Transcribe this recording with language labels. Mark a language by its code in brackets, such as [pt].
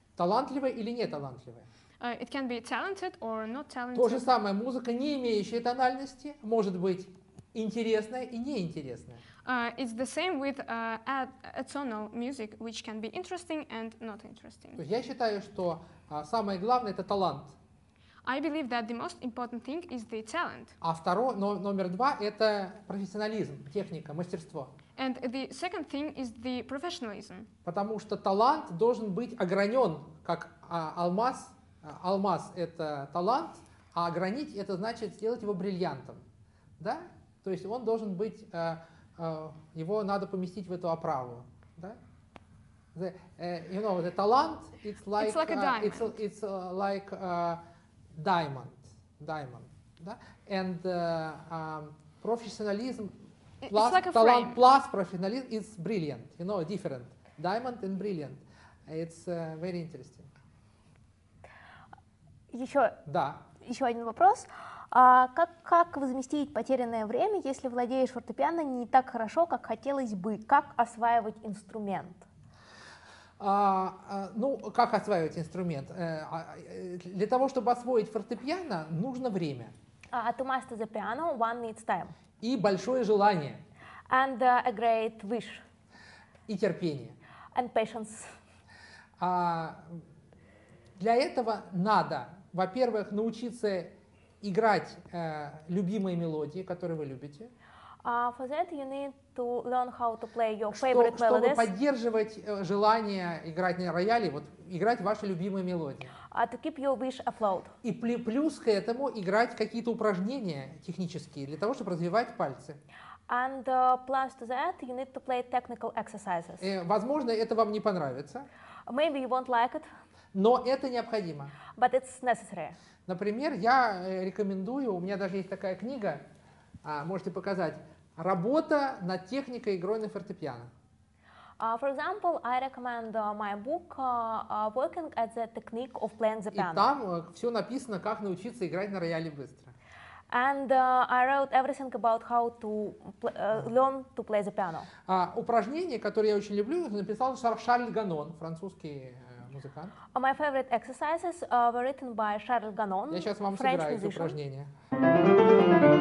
[ru] Талантливая или не талантливая. [en] It can be talented or not talented. [ru] То же самое, музыка, не имеющая тональности, может быть интересная и неинтересная. [en] It's the same with a tonal music, which can be interesting and not interesting. [ru] То есть я считаю, что самое главное — это талант. [en] I believe that the most important thing is the talent. [ru] А второе, номер два — это профессионализм, техника, мастерство. [en] And the second thing is the professionalism. [ru] Потому что талант должен быть огранен, как алмаз. Алмаз — это талант, а огранить — это значит сделать его бриллиантом. Да? То есть он должен быть, его надо поместить в эту оправу. Да? [en] The, you know, the talent, it's like a diamond. Да? And professionalism plus, like talent plus professionalism is brilliant, you know, different. Diamond and brilliant. It's very interesting. [ru] Еще, да. Еще один вопрос. Как возместить потерянное время, если владеешь фортепиано не так хорошо, как хотелось бы? Как осваивать инструмент? Как осваивать инструмент? Для того, чтобы освоить фортепиано, нужно время. [en] To master the piano, one needs time. [ru] И большое желание. [en] And a great wish. [ru] И терпение. [en] And patience. [ru] Для этого надо... Во-первых, научиться играть любимые мелодии, которые вы любите. [en] For that you need to learn how to play your favorite [ru] Чтобы поддерживать желание играть на рояле, вот играть ваши любимые мелодии. [en] To keep your wish afloat. [ru] И плюс к этому играть какие-то упражнения технические для того, чтобы развивать пальцы. [en] And plus to that you need to play technical exercises. [ru] Возможно, это вам не понравится. [en] Maybe you won't like it. [ru] Но это необходимо. [en] But it's necessary. [ru] Например, я рекомендую, у меня даже есть такая книга, можете показать, «Работа над техникой игры на фортепиано». [en] For example, I recommend my book Working at the Technique of Playing the Piano. [ru] И там все написано, как научиться играть на рояле быстро. [en] And I wrote everything about how to learn to play the piano. [ru] Упражнение, которое я очень люблю, написал Шарль Ганон, французский музыкант. [en] My favorite exercises were written by Charles Ganon. [ru] Я сейчас вам [en] French [ru] сыграю [en] musician. [ru] Эти упражнения.